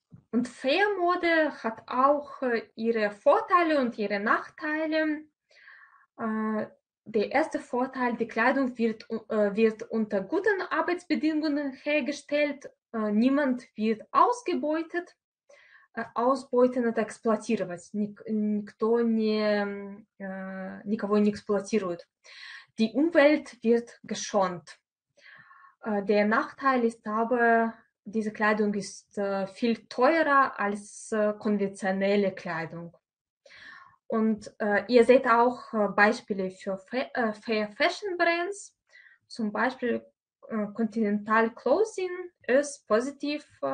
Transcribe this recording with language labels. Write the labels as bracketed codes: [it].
[de] Und Fair Mode hat auch ihre Vorteile und ihre Nachteile. Der erste Vorteil, die Kleidung wird unter guten Arbeitsbedingungen hergestellt. Niemand wird ausgebeutet. Ausbeuten und exploatieren. [ru] Никого не эксплуатирует. [de] Die Umwelt wird geschont. Der Nachteil ist aber, diese Kleidung ist viel teurer als konventionelle Kleidung. Und ihr seht auch Beispiele für Fair Fashion Brands, zum Beispiel Continental Clothing, ist positiv.